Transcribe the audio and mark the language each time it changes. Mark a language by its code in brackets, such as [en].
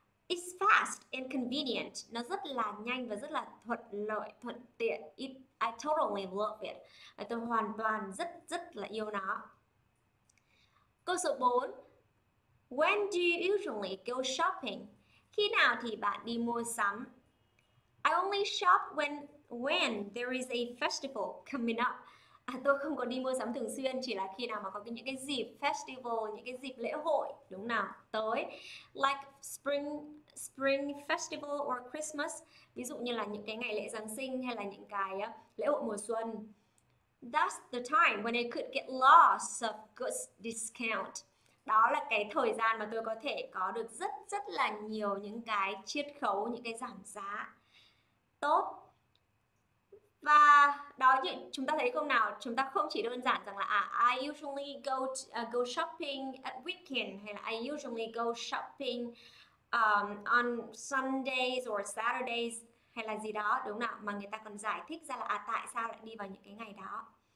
[en] It's fast and convenient. [vi] Nó rất là nhanh và rất là thuận lợi, thuận tiện. [en] I totally love it. [vi] Tôi hoàn toàn rất rất là yêu nó. Câu số 4, [en] when do you usually go shopping? [vi] Khi nào thì bạn đi mua sắm? [en] I only shop when there is a festival coming up. [vi] Tôi không có đi mua sắm thường xuyên, chỉ là khi nào mà có những cái dịp festival, những cái dịp lễ hội, đúng nào, tới. [en] Like spring festival or Christmas. [vi] Ví dụ như là những cái ngày lễ Giáng sinh hay là những cái lễ hội mùa xuân. [en] That's the time when I could get lots of goods discount. [vi] Đó là cái thời gian mà tôi có thể có được rất rất là nhiều những cái chiết khấu, những cái giảm giá tốt. Và đó, chúng ta thấy không nào, chúng ta không chỉ đơn giản rằng là [en] I usually go shopping at weekend [vi] hay là [en] I usually go shopping on Sundays or Saturdays [vi] hay là gì đó, đúng nào, mà người ta còn giải thích ra là tại sao lại đi vào những cái ngày đó.